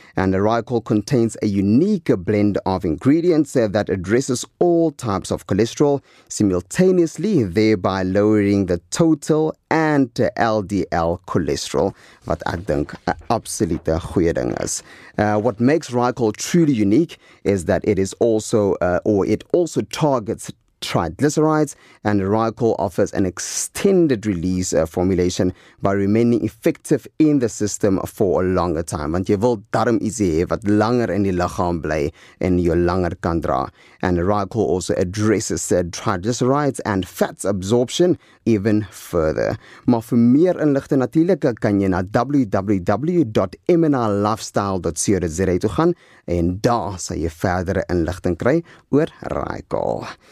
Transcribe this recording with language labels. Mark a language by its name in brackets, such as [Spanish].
[English] And the Rycol contains a unique blend of ingredients that addresses all types of cholesterol simultaneously, thereby lowering the total and LDL cholesterol, [Afrikaans] wat ek dink 'n absolute goeie ding is. [English] What makes Rycol truly unique is that it is also it also targets triglycerides, and Rycol offers an extended release formulation by remaining effective in the system for a longer time. [Afrikaans] Want jy wil darm iets hê wat langer in die liggaam bly en jy langer kan dra. [English] And Rycol also addresses said triglycerides and fat absorption even further. [Afrikaans] Maar vir meer inligting natuurlik kan jy na www.mnlifestyle.co.za toe gaan en daar sal jy verdere inligting kry oor Rycol.